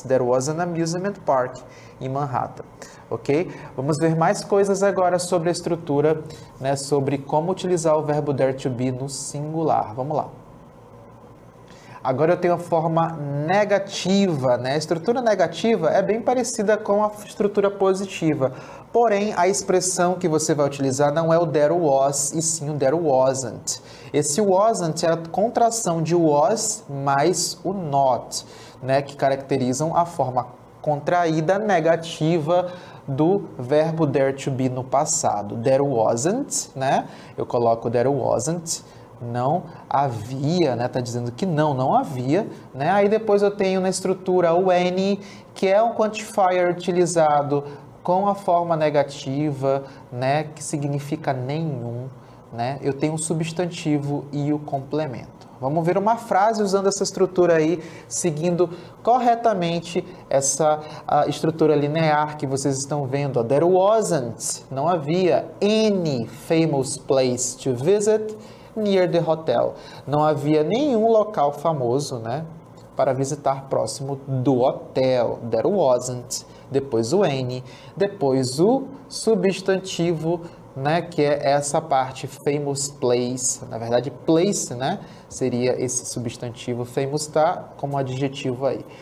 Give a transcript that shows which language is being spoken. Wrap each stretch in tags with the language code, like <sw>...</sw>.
<en>There was an amusement park em Manhattan, ok?</en> <pt>Vamos ver mais coisas agora sobre a estrutura, né? Sobre como utilizar o verbo there to be no singular. Vamos lá. Agora eu tenho a forma negativa, né? A estrutura negativa é bem parecida com a estrutura positiva. Porém, a expressão que você vai utilizar não é o there was, e sim o there wasn't. Esse wasn't é a contração de was mais o not, né? Que caracterizam a forma contraída negativa do verbo there to be no passado. There wasn't, né? Eu coloco there wasn't não havia, né? Tá dizendo que não havia, né? Aí depois eu tenho na estrutura o N, que é um quantifier utilizado com a forma negativa, né? Que significa nenhum, né? Eu tenho o substantivo e o complemento. Vamos ver uma frase usando essa estrutura aí, seguindo corretamente essa estrutura linear que vocês estão vendo.</pt> <en>There wasn't,</en> <pt>não havia</pt> <en>any famous place to visit near the hotel.</en> <pt>Não havia nenhum local famoso, né, para visitar próximo do hotel. There wasn't, depois o N, depois o substantivo, né, que é essa parte, famous place, na verdade place, né, seria esse substantivo famous, tá, como adjetivo aí.</pt>